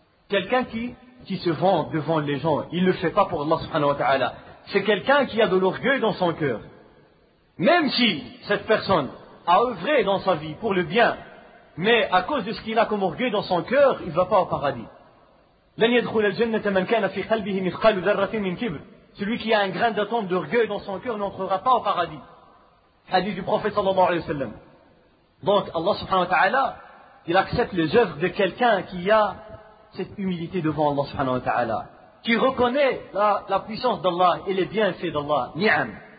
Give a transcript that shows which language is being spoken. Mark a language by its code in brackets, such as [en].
[fr] Quelqu'un qui se vend devant les gens, il ne le fait pas pour Allah subhanahu wa ta'ala. C'est quelqu'un qui a de l'orgueil dans son cœur. Même si cette personne a œuvré dans sa vie pour le bien, mais à cause de ce qu'il a comme orgueil dans son cœur, il ne va pas au paradis. [ar] لن يدخل الجنة من كان في قلبه مثقال ذرة من كبر. [fr] Celui qui a un grain d'atome d'orgueil dans son cœur n'entrera pas au paradis. Hadith du prophète sallallahu alayhi wa sallam. Donc Allah subhanahu wa ta'ala, il accepte les œuvres de quelqu'un qui a cette humilité devant Allah subhanahu wa ta'ala. Qui reconnaît la puissance d'Allah et les bienfaits d'Allah. Ni'am.